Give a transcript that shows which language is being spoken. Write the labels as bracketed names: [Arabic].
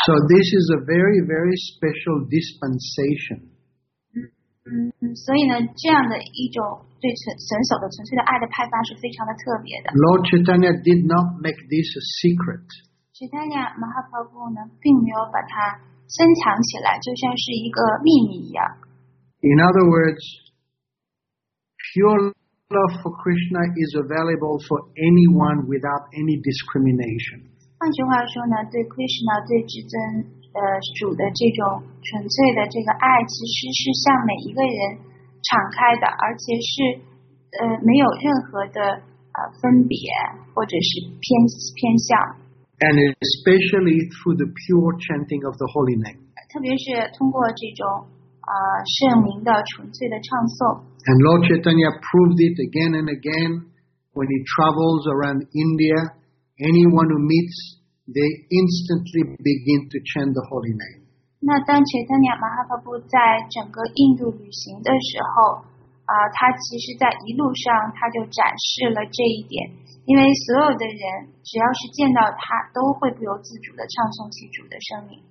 [English] So this is a very, very special dispensation. [Chinese] 所以呢，这样的一种。对神所的纯粹的爱的派发是非常的特别的。 [English] Lord Chaitanya did not make this a secret. [Chinese] Chaitanya Mahaprabhu 呢，并没有把它深藏起来，就像是一个秘密一样。 [English] In other words, pure love for Krishna is available for anyone without any discrimination. [Chinese] 换句话说呢，对 Krishna 对至尊主的这种纯粹的这个爱，其实是向每一个人。敞开的，而且是没有任何的分别或者是偏向。 [English] And especially through the pure chanting of the holy name. [Chinese] 特别是通过这种圣名的纯粹的唱诵。 [English] And Lord Chaitanya proved it again and again when he travels around India. Anyone who meets, they instantly begin to chant the holy name. [Chinese] 那当钱德尼亚马哈帕布在整个印度旅行的时候他其实在一路上他就展示了这一点，因为所有的人只要是见到他都会不由自主的唱诵起主的圣名。